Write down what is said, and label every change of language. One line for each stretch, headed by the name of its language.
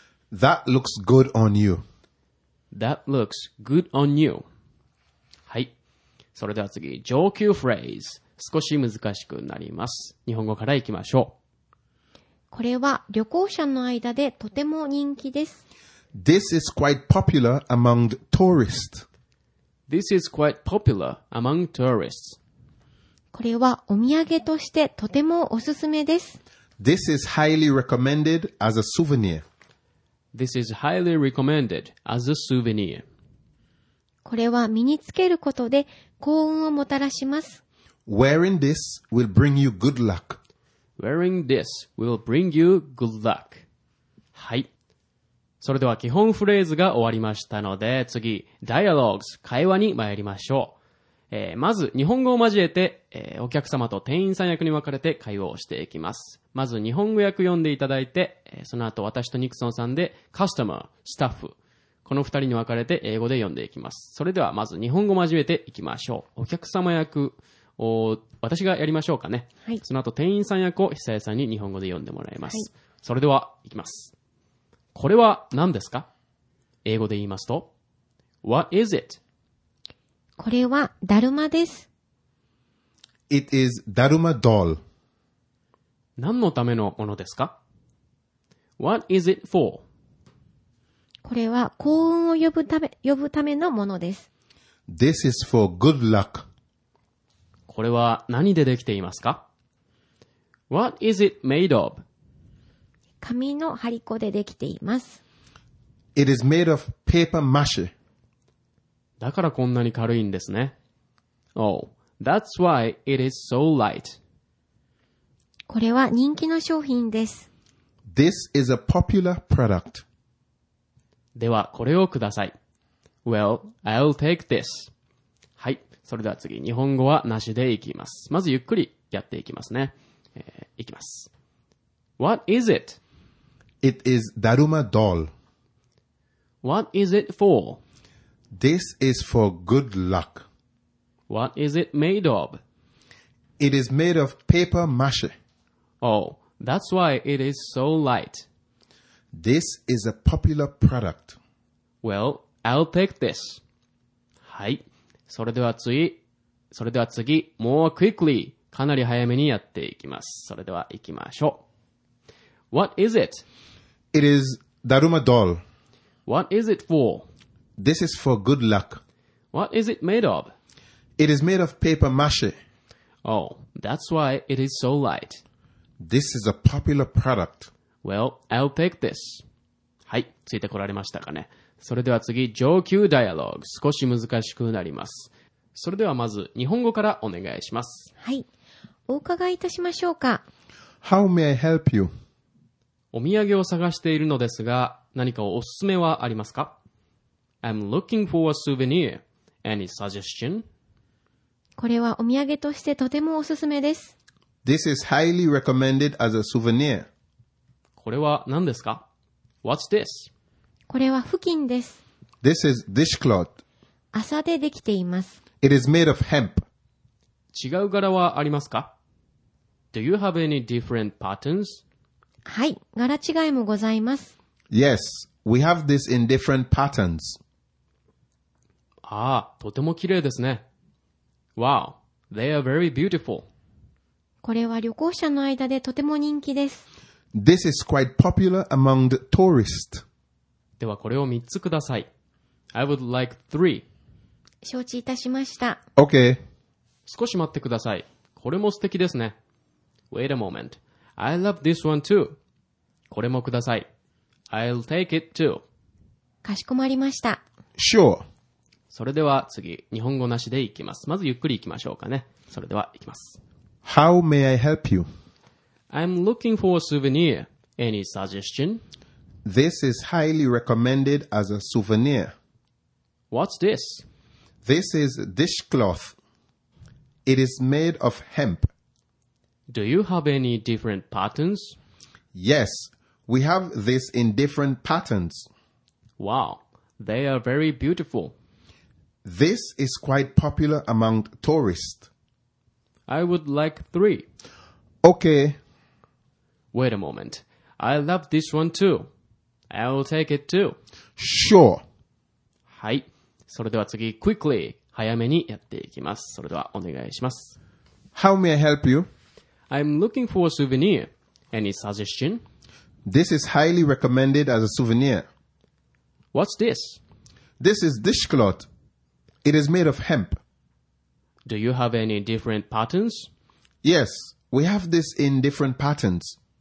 English: That looks good on you. That looks good on you. はい。
Japanese: それでは次、上級フレーズ。少し難しくなります。日本語からいきましょう。これは旅行者の間でとても人気です。
English: This is quite popular among tourists. This is quite popular among tourists.
Japanese: これはお土産としてとてもおすすめです。
English: This is highly recommended as a souvenir. This is highly recommended as a souvenir.
Japanese: これは身につけることで幸運をもたらします。
English: Wearing this will bring you good luck. Wearing this will bring you good luck.
Japanese: はい。それでは基本フレーズが終わりましたので、次、dialogues、会話に参りましょう。まず、日本語を交えて、お客様と店員さん役に分かれて会話をしていきます。まず、日本語訳読んでいただいて、その後、私とニクソンさんで、customer、スタッフ、この二人に分かれて英語で読んでいきます。それでは、まず、日本語を交えていきましょう。お客様役、私がやりましょうかね。はい。その後、店員さん役を久江さんに日本語で読んでもらいます。はい。それでは、いきます。これは何ですか？英語で言いますと、
English: What is it?
Japanese: これは、だるまです。
English: It is だるま doll.
Japanese: 何のためのものですか？
English: What is it for?
Japanese: これは、幸運を呼ぶためのものです。
English: This is for good luck.
Japanese: これは何でできていますか？
English: What is it made of?
Japanese: 紙の張り子でできています。
English: It is made of paper mache.
Japanese: だからこんなに軽いんですね。
English: Oh, that's why it is so light.
Japanese: これは人気の商品です。 This is a popular product. ではこれをください。
English: Well, I'll take this.
Japanese: それでは次、日本語はなしでいきます。まずゆっくりやっていきますね。
English: いきます。What is it? It is Daruma doll. What is it for? This is for good luck. What is it made of? It is made of paper mache. Oh, that's why it is so light. This is a popular product. Well, I'll take this. はい。
Japanese: それでは次、more quickly、かなり早めにやっていきます。それでは行きましょう。
English: What is it? It is Daruma doll. What is it for? This is for good luck. What is it made of? It is made of paper mache. Oh, that's why it is so light. This is a popular product. Well, I'll take this.
Japanese: はい、ついてこられましたかね。それでは次、上級ダイアローグ。少し難しくなります。それではまず、日本語からお願いします。はい。お伺いいたしましょうか。
English: How may I help you?
Japanese: お土産を探しているのですが、何かおすすめはありますか?
English: I'm looking for a souvenir. Any suggestion?
Japanese: これはお土産としてとてもおすすめです。
English: This is highly recommended as a souvenir.
Japanese: これは何ですか?
English: What's this?
Japanese: これは布巾です。
English: This is dishcloth.
Japanese: 麻でできています。
English: It is made of hemp.
Japanese: 違う柄はありますか?
English: Do you have any different patterns?
Japanese: はい、柄違いもございます。
English: Yes, we have this in different patterns.
Japanese: ああ、とても綺麗ですね。
English: Wow, they are very beautiful.
Japanese: これは旅行者の間でとても人気です。
English: This is quite popular among the tourists.
Japanese: ではこれを3つください。
English: I would like three.
Japanese: 承知いたしました。
English: OK.
Japanese: 少し待ってください。これも素敵ですね。
English: Wait a moment. I love this one too.
Japanese: これもください。
English: I'll take it too.
Japanese: かしこまりました。
English: Sure.
Japanese: それでは次、日本語なしでいきます。まずゆっくりいきましょうかね。それではいきます。
English: How may I help you? I'm looking for a souvenir. Any suggestion? This is highly recommended as a souvenir. What's this? This is dishcloth. It is made of hemp. Do you have any different patterns? Yes, we have this in different patterns. Wow, they are very beautiful. This is quite popular among tourists. I would like three. Okay. Wait a moment. I love this one too. I'll take it too. Sure.
Japanese: はい。それでは次、quickly、早めにやっていきます。それではお願いします。
English: How may I help you? I'm looking for a souvenir. Any suggestion? This is highly recommended as a souvenir. What's this? This is dishcloth. It is made of hemp. Do you have any different patterns? Yes, we have this in different patterns.